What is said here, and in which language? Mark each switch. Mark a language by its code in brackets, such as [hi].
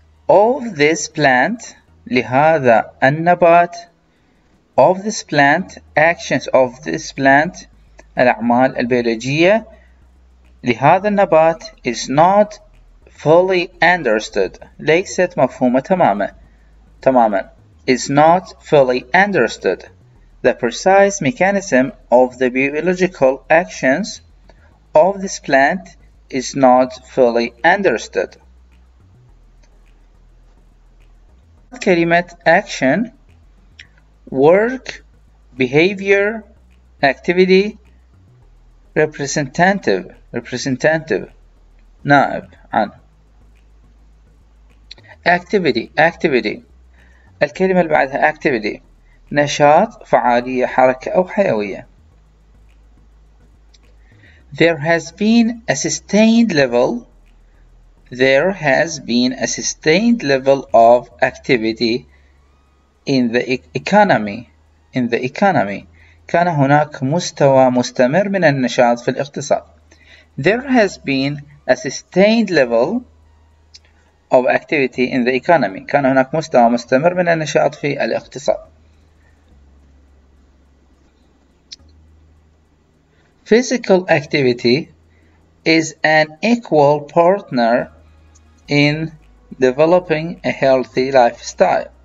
[en] of this plant [ar] لهذا النبات [en] of this plant actions of this plant [ar] الأعمال البيولوجية لهذا النبات [en] is not fully understood [ar] ليست مفهومة تماما تماما [en] is not fully understood. The precise mechanism of the biological actions of this plant is not fully understood. كلمة action work behavior activity representative representative [ar] نائب عن [en] activity activity. [ar] الكلمة اللي بعدها activity نشاط فعالية حركة أو حيوية. [en] There has been a sustained level. There has been a sustained level of activity in the economy. In the economy. [ar] كان هناك مستوى مستمر من النشاط في الاقتصاد. [en] There has been a sustained level of activity in the economy. [ar] كان هناك مستوى مستمر من النشاط في الاقتصاد. [en] Physical activity is an equal partner in developing a healthy lifestyle.